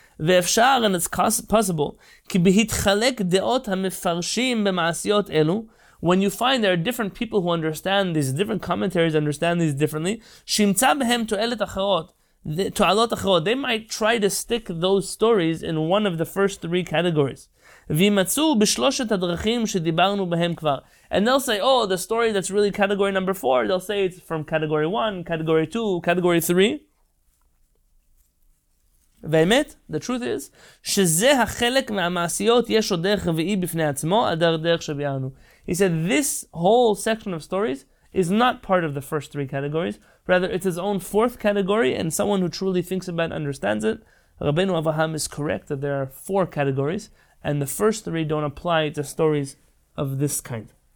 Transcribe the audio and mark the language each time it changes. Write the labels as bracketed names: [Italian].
[Hebrew] Ve'efshar, [English] and it's possible, [Hebrew] ki bihitchalek de'ot ha'mefarshim b'ma'asiyot elu, [English] when you find there are different people who understand these, different commentaries understand these differently, [Hebrew] shimtza b'hem to'elet acharot, [English] they might try to stick those stories in one of the first three categories. And they'll say, oh, the story that's really category number four, they'll say it's from category one, category two, category three. The truth is, [Hebrew] שזה החלק מהמעשיות יש עוד דרך רביעי בפני עצמו, הדרך דרך שביארנו. [English] He said, this whole section of stories is not part of the first three categories. Rather, it's his own fourth category, and someone who truly thinks about it understands it. Rabbeinu Avraham is correct that there are four categories, and the first three don't apply to stories of this kind.